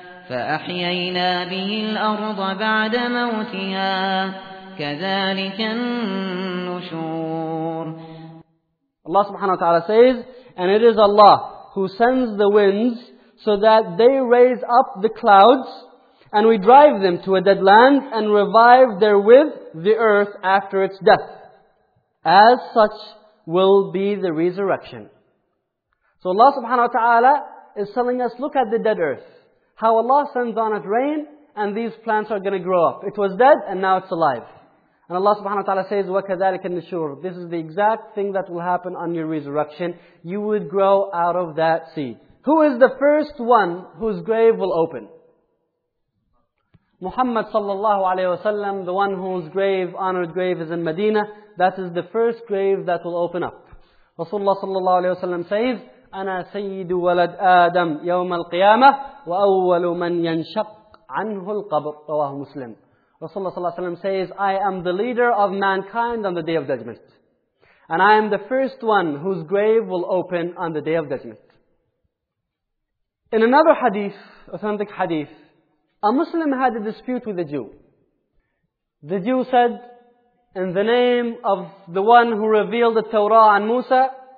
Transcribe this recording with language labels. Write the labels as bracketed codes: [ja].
[ar] فأحيينا به الأرض بعد موتها كذلك النشور. [en] Allah subhanahu wa ta'ala says, and it is Allah who sends the winds so that they raise up the clouds and we drive them to a dead land and revive therewith the earth after its death. As such will be the resurrection. So Allah subhanahu wa ta'ala is telling us, look at the dead earth. How Allah sends on it rain and these plants are going to grow up. It was dead and now it's alive. And Allah subhanahu wa ta'ala says, [ar] وَكَذَلِكَ النِّشُورُ. [en] This is the exact thing that will happen on your resurrection. You would grow out of that seed. Who is the first one whose grave will open? Muhammad sallallahu alayhi wa sallam, the one whose grave, honored grave is in Medina, that is the first grave that will open up. [ar] Rasulullah sallallahu alayhi wa sallam says, أَنَا سَيِّدُ وَلَدْ آدَمْ يَوْمَ الْقِيَامَةِ وَأَوَّلُ مَنْ يَنْشَقْ عَنْهُ الْقَبْرُ رواه مسلم. [en] Rasulullah sallallahu alayhi wa sallam says, I am the leader of mankind on the Day of Judgment. And I am the first one whose grave will open on the Day of Judgment. In another hadith, authentic hadith, a Muslim had a dispute with a Jew. The Jew said, in the name of the one who revealed the Torah on Musa.